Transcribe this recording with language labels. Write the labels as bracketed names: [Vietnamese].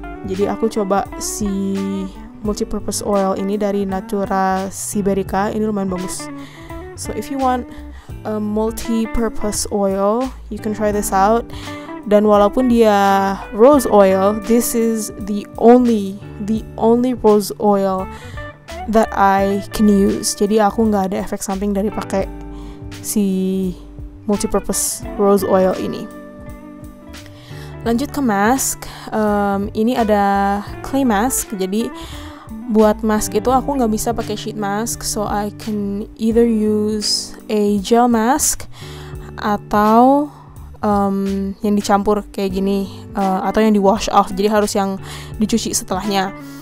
[Indonesian] Jadi aku coba si multi-purpose oil ini dari Natura Siberica. Ini lumayan bagus. [English] So if you want a multi-purpose oil, you can try this out. [Indonesian] Dan walaupun dia [English] rose oil, this is the only rose oil that I can use. [Indonesian] Jadi aku gak ada efek samping dari pakai si multi-purpose rose oil ini. Lanjut ke mask, ini ada clay mask. Jadi buat mask itu aku gak bisa pakai sheet mask, [English] so I can either use a gel mask [Indonesian] atau yang dicampur kayak gini, atau yang di wash off, jadi harus yang dicuci setelahnya.